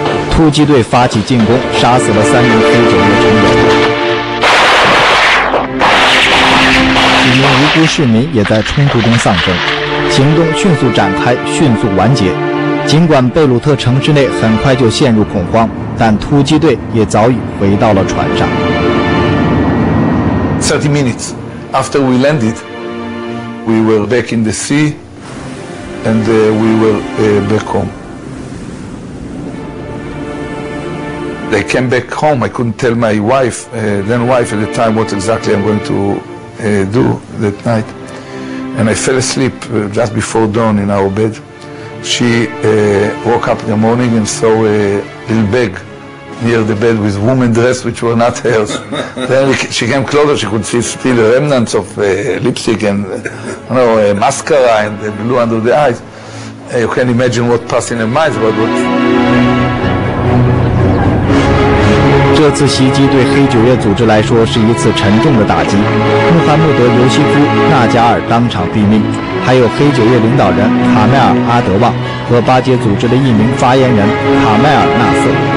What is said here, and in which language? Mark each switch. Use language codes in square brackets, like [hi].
[zh] 突击队发起进攻，杀死了3名黑九月成员。几名无辜多市民也在冲突中丧生，行动迅速展开，迅速完结。尽管贝鲁特城市内很快就陷入恐慌，但突击队也早已回到了船上。 [en] 30 minutes after we landed, we were back in the sea, and we were back home. They came back home. I couldn't tell my wife, then wife at the time, what exactly I'm going to do that night. And I fell asleep just before dawn in our bed. She woke up in the morning and saw a little bag near the bed with woman dress, which were not hers. Then she came closer, she could see still remnants of lipstick and mascara and the blue under the eyes. You can imagine what passed in her mind. But what... [zh] 这次袭击对黑九月组织来说是一次沉重的打击。穆罕默德·尤西夫·纳加尔当场毙命，还有黑九月领导人卡迈尔·阿德旺和巴结组织的一名发言人卡迈尔·纳斯。